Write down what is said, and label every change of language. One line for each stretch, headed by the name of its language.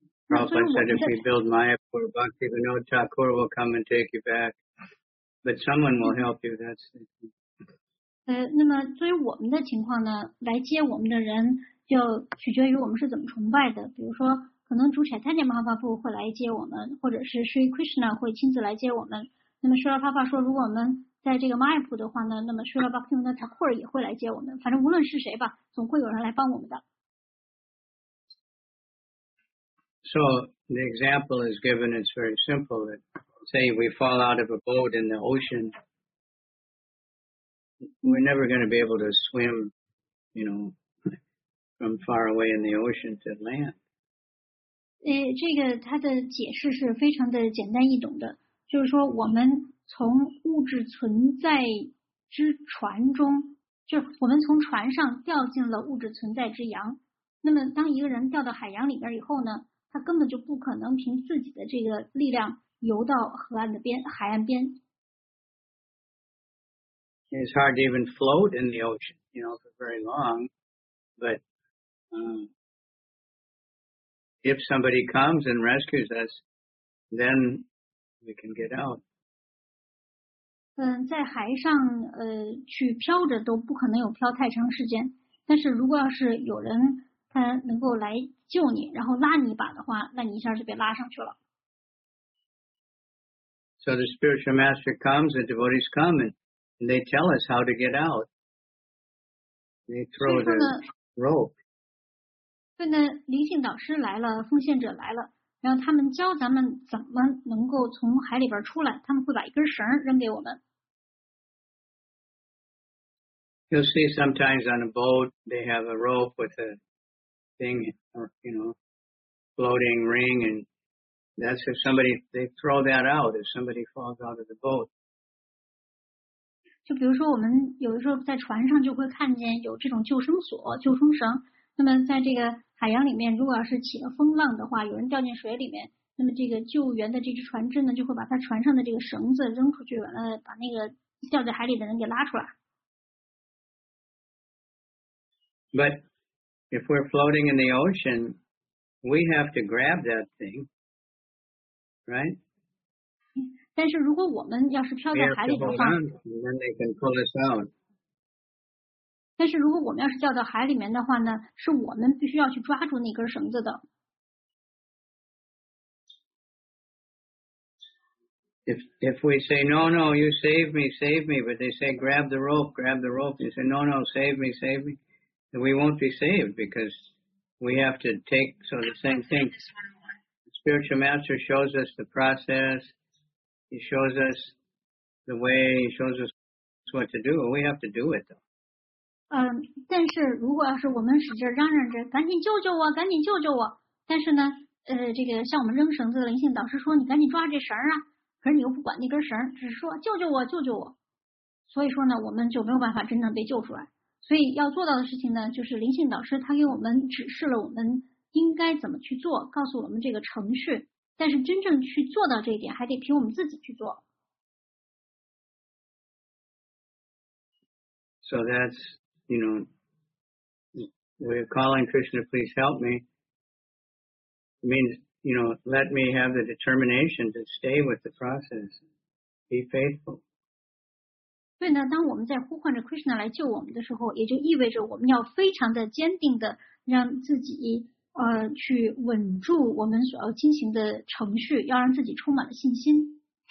English: Prabhupada said, if we build Mayapur Bhakti, we know Thakur will come and take you back. But someone will help you. That's the thing.
Chinese: 那么作为我们的情况呢，来接我们的人就取决于我们是怎么崇拜的。比如说，可能主产参见马哈巴布会来接我们，或者是Sri Krishna会亲自来接我们。那么，Sri Prabhupada说，如果我们在这个 Mayapur 的话呢，那么Sri Bhakti Vinod Thakur也会来接我们。反正无论是谁吧，总会有人来帮我们的。
English: So the example is given, it's very simple. That, say we fall out of a boat in the ocean, we're never going to be able to swim, you know, from far away in the ocean to land.
Chinese: 这个它的解释是非常的简单易懂的。就是说我们从物质存在之船中，就是我们从船上掉进了物质存在之洋。那么当一个人掉到海洋里边以后呢，他根本就不可能凭自己的这个力量游到河岸的边，海岸边。
English: It's hard to even float in the ocean, you know, for very long. But if somebody comes and rescues us, then we can get out.
Chinese: 嗯，在海上去漂着都不可能有漂太长时间。但是如果要是有人他能够来救你，然后拉你一把的话，那你一下就被拉上去了。
English: So the spiritual master comes, the devotees come and they tell us how to get out. They throw the rope.
Chinese: 对呢，灵性导师来了，奉献者来了，然后他们教咱们怎么能够从海里边出来，他们会把一根绳扔给我们。
English: You'll see sometimes on a boat, they have a rope with a thing, you know, floating ring, and that's if somebody, they throw that out, if somebody falls out of the boat.
Chinese: 就比如说我们有的时候在船上就会看见有这种救生索、救生绳，那么在这个海洋里面，如果要是起了风浪的话，有人掉进水里面，那么这个救援的这只船只呢，就会把它船上的这个绳子扔出去，完了把那个掉在海里的人给拉出来。
English: But if we're floating in the ocean, we have to grab that thing, right?
Chinese: 但是如果我们要是漂在海里的话，
English: then they can pull us out.
Chinese: 但是如果我们要是掉到海里面的话呢，是我们必须要去抓住那根绳子的。
English: If we say, no, no, you save me, save me, but they say, grab the rope, you say, no, no, save me, save me. We won't be saved because we have to take, so the same thing. The spiritual master shows us the process. He shows us the way, he shows us what to do. We have to do it though.
Chinese: 但是如果要是我们使劲嚷嚷着赶紧救救我，赶紧救救我。但是呢，这个像我们扔绳子的灵性导师说你赶紧抓这绳啊。可是你又不管那根绳，只是说救救我，救救我。所以说呢，我们就没有办法真正被救出来。所以要做到的事情呢，就是灵性导师他给我们指示了我们应该怎么去做，告诉我们这个程序，但是真正去做到这一点还得凭我们自己去做。
English: So that's, you know, we're calling Krishna, please help me. It means, you know, let me have the determination to stay with the process. Be faithful.
Chinese: 所以呢，当我们在呼唤着 Krishna 来救我们的时候，也就意味着我们要非常的坚定的让自己去稳住我们所要进行的程序，要让自己充满了信心。